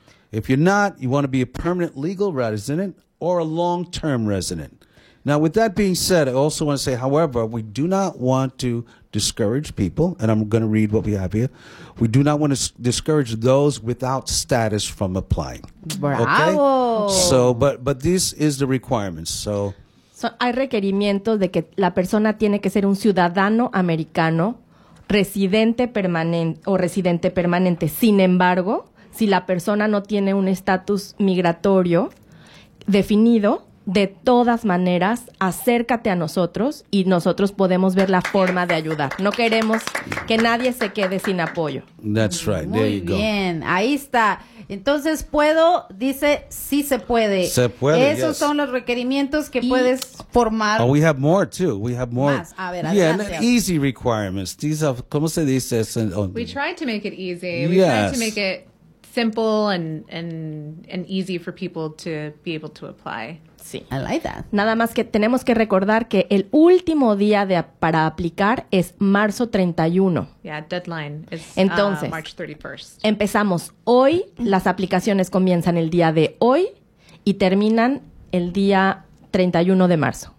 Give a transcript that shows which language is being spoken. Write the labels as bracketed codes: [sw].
[en] If you're not, you want to be a permanent legal resident or a long-term resident. Now, with that being said, I also want to say, however, we do not want to discourage people, and I'm going to read what we have here. We do not want to discourage those without status from applying. Bravo! Okay? So, but this is the requirements. So, [es] So, hay requerimientos de que la persona tiene que ser un ciudadano americano, residente permanente o residente permanente. Sin embargo, si la persona no tiene un estatus migratorio definido, de todas maneras, acércate a nosotros y nosotros podemos ver la forma de ayudar. No queremos que nadie se quede sin apoyo. [en] That's right. There you go. [es] Muy bien. Ahí está. Entonces, puedo, dice, sí se puede. Se puede, esos [en] yes. [es] son los requerimientos que y puedes formar. [en] Oh, we have more, too. We have more. [es] Más. A ver, [en] yeah, easy requirements. These are, [es] ¿cómo se dice? [en] We tried to make it easy. We tried to make it simple and easy for people to be able to apply. Sí, I like that. [es] Nada más que tenemos que recordar que el último día de para aplicar es marzo 31. [en] Yeah, deadline is [es] entonces, [en] March 31st. [es] Empezamos hoy, las aplicaciones comienzan el día de hoy y terminan el día 31 de marzo.